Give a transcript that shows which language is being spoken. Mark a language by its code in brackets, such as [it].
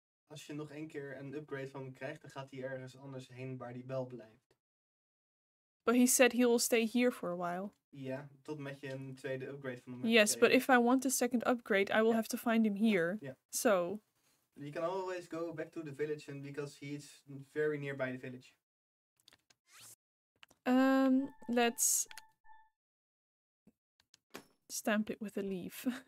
[nl] Als je nog één keer een upgrade van hem krijgt, dan gaat hij ergens anders heen waar hij wel blijft. [en] But he said he will stay here for a while. Yeah, [nl] tot met je een tweede upgrade van hem. [en] Yes, but if I want a second upgrade, I will have to find him here. Yeah. So... You can always go back to the village and because he's very nearby the village. Let's stamp it with a leaf.